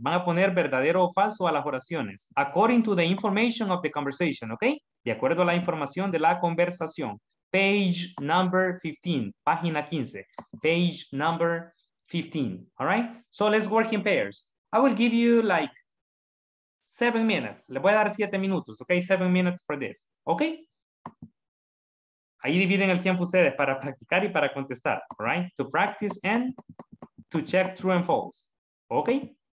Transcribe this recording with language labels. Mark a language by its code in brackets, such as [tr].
[es] Van a poner verdadero o falso a las oraciones. [en] According to the information of the conversation, okay? [es] De acuerdo a la información de la conversación. [en] Page number 15, [es] página 15. [en] Page number 15, all right? So let's work in pairs. I will give you like 7 minutes. [es] Le voy a dar 7 minutos, okay? [en] 7 minutes for this, okay? [es] Ahí dividen el tiempo ustedes para practicar y para contestar, [en] all right? To practice and to check true and false, okay?